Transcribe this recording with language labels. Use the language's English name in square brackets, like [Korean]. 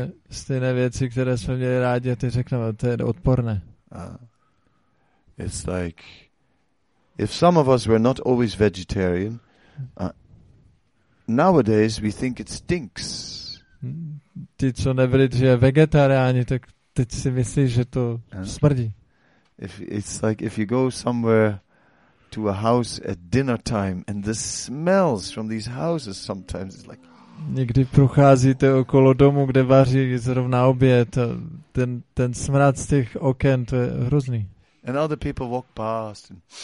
[Czech] Stejné věci, které jsme měli rádi, a ty řekneme, to je odporné. [English] It's like if some of us were not always vegetarian, nowadays we think it stinks. [Czech] Ty, co nebyli dříve vegetariáni, tak teď si myslíš, že to smrdí. [English] It's like if you go somewhere to a house at dinner time and the smells from these houses sometimes is like. [Czech] Někdy procházíte okolo domu, kde vaří zrovna oběd, a ten smrad z těch oken, to je hrozný. [English] And other people walk past and